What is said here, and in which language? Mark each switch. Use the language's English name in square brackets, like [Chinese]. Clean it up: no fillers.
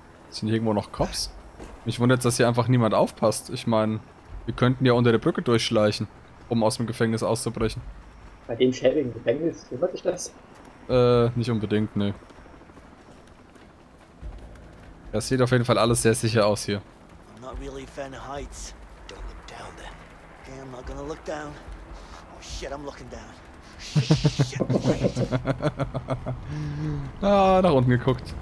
[German] Sind hier irgendwo noch Cops? Mich wundert, dass hier einfach niemand aufpasst. Ich meine, wir könnten ja unter der Brücke durchschleichen, um aus dem Gefängnis auszubrechen. Bei dem schäbigen Gefängnis, wie wollte ich das? Nicht unbedingt, ne. Das sieht auf jeden Fall alles sehr sicher aus hier. [English] I'm not really a fan of heights. Don't look down then. Okay, I'm not gonna look down. Oh shit, I'm looking down. Shit, wait. [German] Ah, nach unten geguckt.